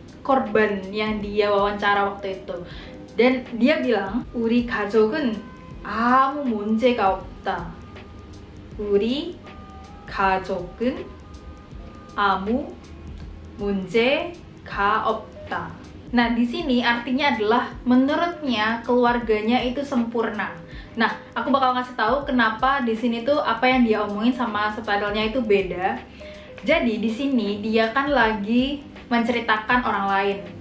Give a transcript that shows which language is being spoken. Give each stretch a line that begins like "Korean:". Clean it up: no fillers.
Indonesian: Korban yang dia wawancara waktu itu. Dan dia bilang,
Korean: "우리 가족은 아무 문제가 없다." 우리 가족은 아무 문제가 없다.
Indonesian: Nah, di sini artinya adalah menurutnya keluarganya itu sempurna. Nah, aku bakal ngasih tahu kenapa di sini tuh apa yang dia omongin sama sepadelnya itu beda. Jadi, di sini dia kan lagi menceritakan orang lain.